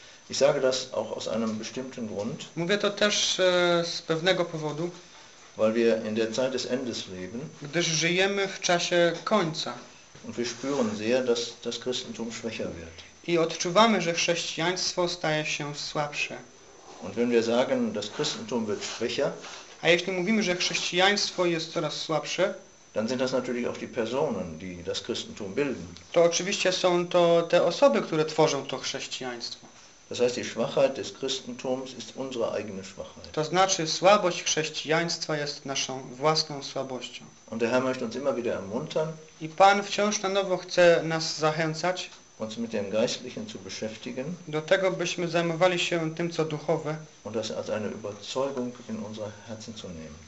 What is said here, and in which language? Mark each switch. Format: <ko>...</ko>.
<de>Ich sage das auch aus einem bestimmten Grund.</de> <pl>Mówię to też z pewnego powodu.</pl> <de>Weil wir in der Zeit des Endes leben.</de> <pl>Gdyż żyjemy w czasie końca.</pl> <de>Und wir spüren sehr, dass das Christentum schwächer wird.</de> <pl>I odczuwamy, że chrześcijaństwo staje się słabsze.</pl> <de>Und wenn wir sagen, das Christentum wird schwächer,</de> <pl>a jeśli mówimy, że chrześcijaństwo jest coraz słabsze,</pl> <de>dann sind das natürlich auch die Personen, die das Christentum bilden.</de> <pl>To oczywiście są to te osoby, które tworzą to chrześcijaństwo.</pl> <de>Das heißt, die Schwachheit des Christentums ist unsere eigene Schwachheit.</de> <pl>To znaczy, słabość chrześcijaństwa jest naszą własną słabością.</pl> <de>Und der Herr möchte uns immer wieder ermuntern.</de> <pl>I Pan wciąż na nowo chce nas zachęcać.</pl> <de>Uns mit dem Geistlichen zu beschäftigen.</de> <pl>Do tego, byśmy zajmowali się tym, co duchowe.</pl> <de>Und das als eine Überzeugung in unser Herzen zu nehmen.</de>